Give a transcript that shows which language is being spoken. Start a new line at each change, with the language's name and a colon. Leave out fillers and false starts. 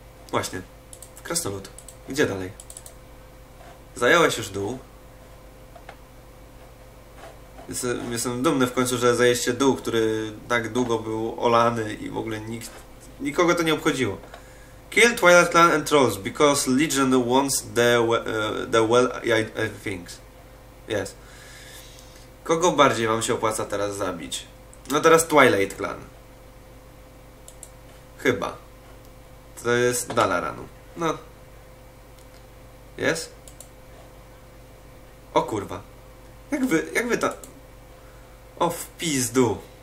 Polish: Właśnie, w krasnolud. Gdzie dalej? Zająłeś już dół. Jestem dumny w końcu, że zajęliście dół, który tak długo był olany i w ogóle nikogo to nie obchodziło.
English: Kill Twilight Clan and Trolls, because Legion wants the well things. Yes.
Polish: Kogo bardziej wam się opłaca teraz zabić? No teraz Twilight Clan. Chyba. To jest Dalaranu. No. Jest? O kurwa. Jakby ta... O w pizdu.